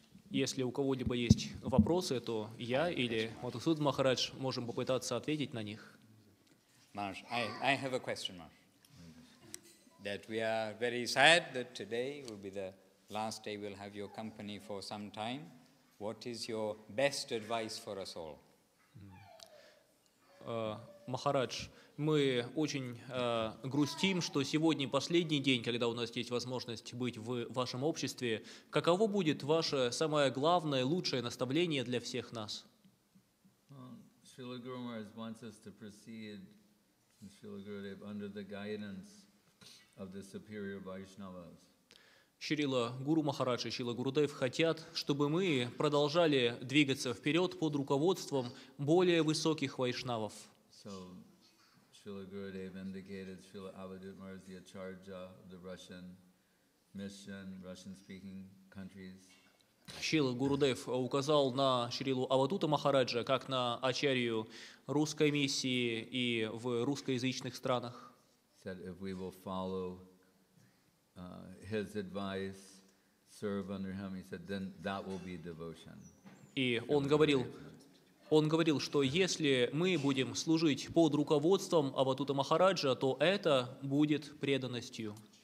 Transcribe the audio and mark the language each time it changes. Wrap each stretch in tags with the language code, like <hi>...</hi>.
<ru>Если у кого-либо есть вопросы, то я или Мадхусудан Махарадж можем попытаться ответить на них.</ru> <en>Marsh, I have a question, Marsh. That we are very sad that today will be the last day we'll have your company for some time. What is your best advice for us all?</en> <ru>Махарадж, мы очень грустим, что сегодня последний день, когда у нас есть возможность быть в вашем обществе. Каково будет ваше самое главное, лучшее наставление для всех нас?</ru> <en>Srila Guru Maharaj wants us to proceed, Srila Gurudev, under the guidance of the superior Vaishnavas.</en> <ru>Шрила Гуру Махарадж и Шрила Гурудев хотят, чтобы мы продолжали двигаться вперед под руководством более высоких вайшнавов.</ru> <en>So, Srila Gurudev indicated Srila Avadhut Maharaj, the acharya of the Russian mission, Russian-speaking countries.</en> <ru>Srila Gurudev указал на Шрилу Авадута Махараджа как на ачарью русской миссии и в русскоязычных странах.</ru> <en>Said if we will follow his advice, serve under him, he said, then that will be devotion.</en> <ru>И он говорил. Он говорил, что если мы будем служить под руководством Аватута Махараджа, то это будет преданностью.</ru>